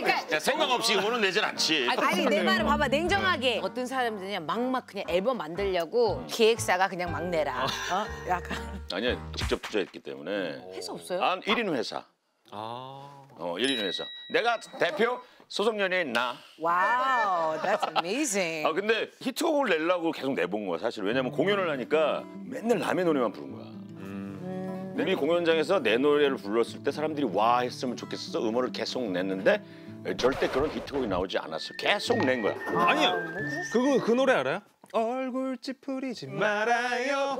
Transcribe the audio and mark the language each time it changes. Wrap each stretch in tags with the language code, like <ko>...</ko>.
<ko>그러니까, 생각 없이 음원은 내진 않지. 아니 내 말을 봐봐 냉정하게. 네. 어떤 사람들이 막 그냥 앨범 만들려고 기획사가 그냥 막 내라. 약간. 아니 직접 투자했기 때문에. 회사 없어요? 아 1인 회사. 아. 1인 회사. 내가 대표 소속 연예인 나.</ko> <en>와우, that's amazing.</en> <ko>아 근데 히트곡을 내려고 계속 내본 거야 사실. 왜냐면 공연을 하니까 맨날 라면 노래만 부른 거야. 네. 우리 공연장에서 내 노래를 불렀을 때 사람들이 와 했으면 좋겠어서 음원을 계속 냈는데 절대 그런 히트곡이 나오지 않았어. 계속 낸 거야. 아니야. 그 노래 알아요? 얼굴 찌푸리지 말아요.</ko>